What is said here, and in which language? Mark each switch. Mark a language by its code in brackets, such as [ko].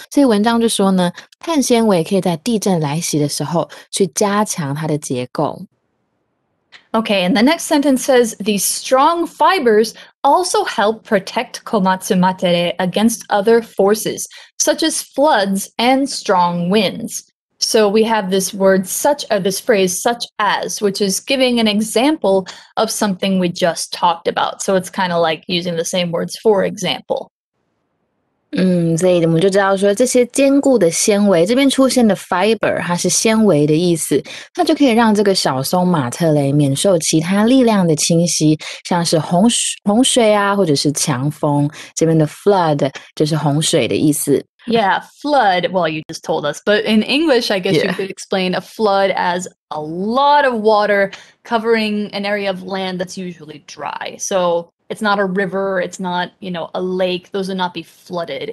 [zh] 所以文章就说呢，碳纤维可以在地震来袭的时候去加强它的结构。 [en] Okay, and the next sentence says, these strong fibers also help protect Komatsumatere against other forces, such as floods and strong winds. So we have this word, this phrase, such as, which is giving an example of something we just talked about. So it's kind of like using the same words, for example. [zh] 所以我们就知道说这些坚固的纤维，这边出现的 fiber, 它是纤维的意思，它就可以让这个小松马特雷免受其他力量的侵袭，像是洪水啊，或者是强风。这边的 flood 就是洪水的意思。 [en] Yeah, flood, well, you just told us, but in English, I guess you could explain a flood as a lot of water covering an area of land that's usually dry. So it's not a river, it's not, you know, a lake, those would not be flooded.